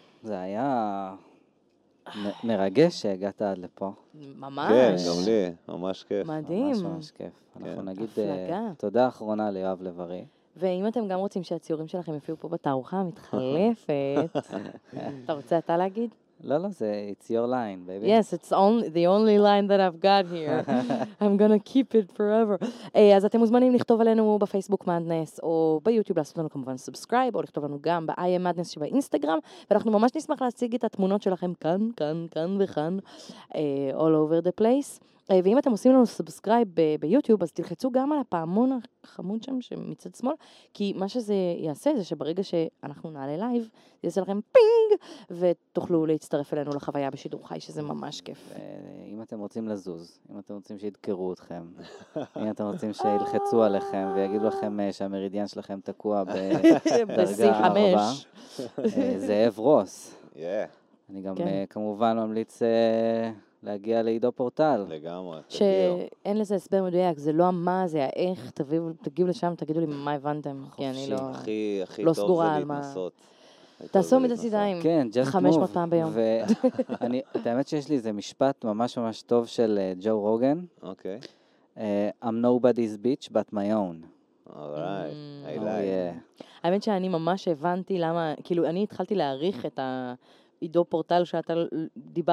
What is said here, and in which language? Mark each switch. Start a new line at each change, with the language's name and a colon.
Hebrew: זה היה מרגש שהגעת עד לפה. ממש. כן, גם לי. ממש כיף. מדהים. ממש כיף. אנחנו נגיד תודה אחרונה ליואב לברי. ואם אתם גם רוצים שהציורים שלכם יפיעו פה בתערוכה המתחלפת, אתה רוצה אתה להגיד? לא, לא, זה,
English: it's your line, baby. Yes, it's only, the only line that I've got here. I'm gonna keep it forever.
Hebrew: אז אתם מוזמנים לכתוב עלינו בפייסבוק מדנס, או ביוטיוב לעשות לנו כמובן סאבסקרייב, או לכתוב לנו גם ב-I am Madness שבאינסטגרם, ואנחנו ממש נשמח להציג את התמונות שלכם כאן, כאן, כאן וכאן,
English: all over the place.
Hebrew: ואם אתם עושים לנו סאבסקרייב ביוטיוב, אז תלחצו גם על הפעמון החמוד שם שמצד שמאל, כי מה שזה יעשה זה שברגע שאנחנו נעלה לייב, זה יעשה לכם פינג, ותוכלו להצטרף אלינו לחוויה בשידור חי, שזה ממש כיף. אם אתם רוצים לזוז, אם אתם רוצים שידקרו אתכם, אם אתם רוצים שילחצו עליכם ויגידו לכם שהמרידיאן שלכם תקוע בדרגה 4, זאב רוס. אני גם כמובן ממליץ להגיע לעידו פורטל. לגמרי. שאין לזה הסבר מדויק, זה לא המה, זה האיך, תגיב לשם, תגידו לי מה הבנתם, כי אני לא סגורה על מה. הכי טוב זה להתנסות. תעשו מידה סידיים. כן,
English: just move.
Hebrew: 500 פעם ביום. את האמת שיש לי איזה משפט ממש ממש טוב של ג'ו רוגן. אוקיי.
English: I'm nobody's bitch but my own. Alright, I like.
Hebrew: האמת שאני ממש הבנתי למה, כאילו אני התחלתי להעריך את העידו פורטל שאתה דיברת,